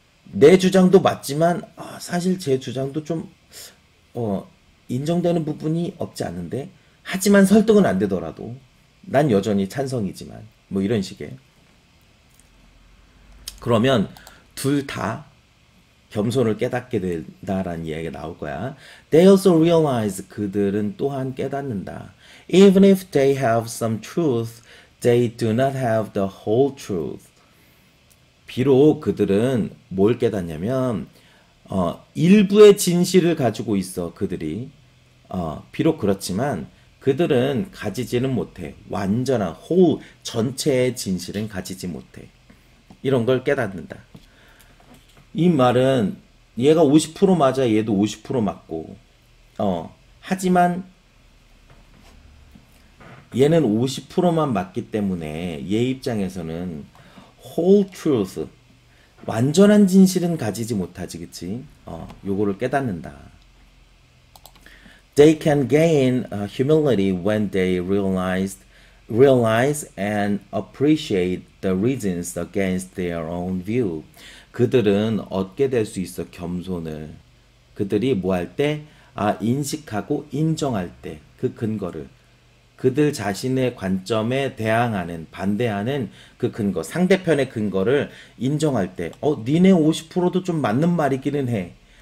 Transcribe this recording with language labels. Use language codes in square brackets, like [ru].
[ko] 내 주장도 맞지만 사실 제 주장도 좀 인정되는 부분이 없지 않은데 하지만 설득은 안 되더라도 난 여전히 찬성이지만 뭐 이런 식의 그러면 둘다 겸손을 깨닫게 된다라는 이야기가 나올 거야. [en] They also realize [ko] 그들은 또한 깨닫는다. [en] Even if they have some truth, they do not have the whole truth. [ko] 비록 그들은 뭘 깨닫냐면 일부의 진실을 가지고 있어 그들이 비록 그렇지만 그들은 가지지는 못해 완전한 whole 전체의 진실은 가지지 못해 이런 걸 깨닫는다 이 말은 얘가 50% 맞아 얘도 50% 맞고 하지만 얘는 50%만 맞기 때문에 얘 입장에서는 whole truth 완전한 진실은 가지지 못하지, 그치? 요거를 깨닫는다. [en] They can gain humility when they realize and appreciate the reasons against their own view. [ko] 그들은 얻게 될수 있어, 겸손을. 그들이 뭐할 때? 인식하고 인정할 때. 그 근거를. 그들 자신의 관점에 대항하는, 반대하는 그 근거, 상대편의 근거를 인정할 때, 니네 50%도 좀 맞는 말이기는 해.